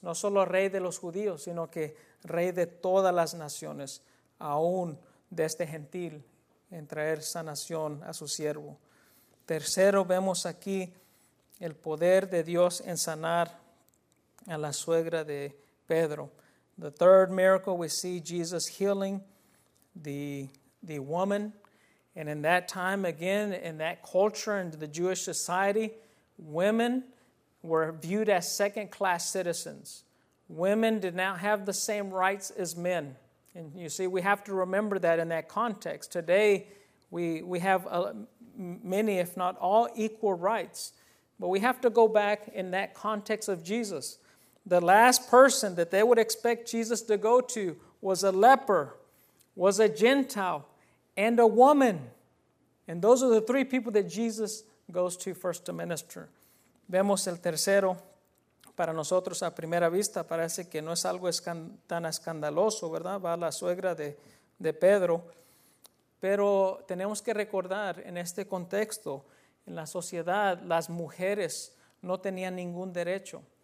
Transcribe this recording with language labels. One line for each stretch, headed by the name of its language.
Spanish: No solo rey de los judíos, sino que rey de todas las naciones, aún de este gentil, en traer sanación a su siervo. Tercero, vemos aquí el poder de Dios en sanar a la suegra de Pedro.
English: The third miracle, we see Jesus healing the woman. And in that time, again, in that culture and the Jewish society, women were viewed as second-class citizens. Women did not have the same rights as men. And you see, we have to remember that in that context. Today, we have many, if not all, equal rights. But we have to go back in that context of Jesus. The last person that they would expect Jesus to go to was a leper, was a Gentile, and a woman. And those are the three people that Jesus goes to first to minister.
Spanish: Vemos el tercero. Para nosotros, a primera vista, parece que no es algo tan escandaloso, ¿verdad? Va la suegra de Pedro. Pero tenemos que recordar, en este contexto, en la sociedad, las mujeres no tenían ningún derecho.